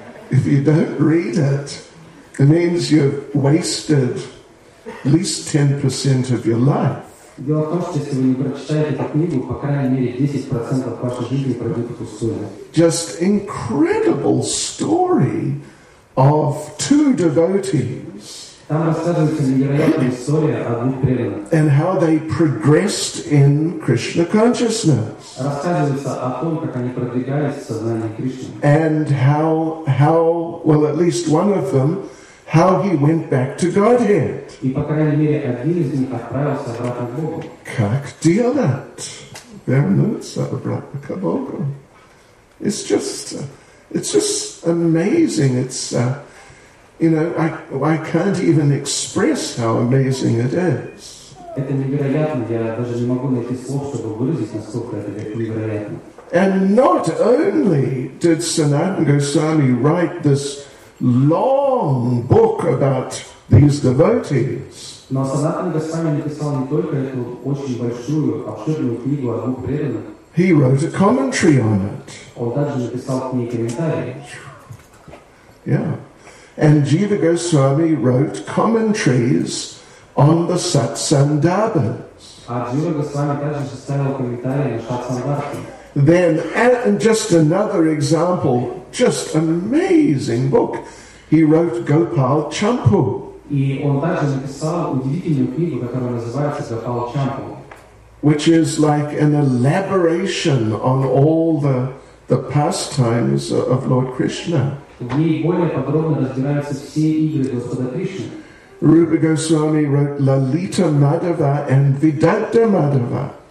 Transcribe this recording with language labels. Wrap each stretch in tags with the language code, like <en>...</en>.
<en>If you don't read it, it means you've wasted at least 10% of your life.</en> <ru>Дело в том, что если вы не прочитаете эту книгу, по крайней мере 10% вашей жизни пройдет впустую.</ru> <en>Just incredible story of two devotees.</en> <ru>Там рассказывается невероятная история о двух преданных.</ru> <en>And how they progressed in Krishna consciousness.</en> <ru>Рассказывается о том, как они продвигались в сознании Кришны.</ru> <en>And at least one of them, how he went back to Godhead.</en> <ru>И, по крайней мере, один из них отправился обратно к Богу. Как делать? Вернуться обратно к Богу.</ru> <en>It's just amazing. It's You know, I can't even express how amazing it is.</en> <ru>Это невероятно. Я даже не могу найти слов, чтобы выразить, насколько это невероятно.</ru> <en>And not only did Sanatana Goswami write this long book about these devotees.</en> <ru>Но Санатана Госвами написал не только эту очень большую, обширную книгу о двух преданных.</ru> <en>He wrote a commentary on it.</en> <ru>Он также написал к ней комментарий.</ru> <en>Yeah. And Jiva Goswami wrote commentaries on the Satsandarbhas.</en> <ru>А Джива Госвами также составил комментарии на Сатсандарбху.</ru> <en>Then, and just another example, just amazing book, he wrote Gopal Champu.</en> <ru>И он также написал удивительную книгу, которая называется Gopal Champu.</ru> <en>Which is like an elaboration on all the pastimes of Lord Krishna.</en> <ru>В ней более подробно разбираются все игры Господа Кришны.</ru> <en>Rupa Goswami wrote Lalita Madhava and Vedanta Madhava.</en>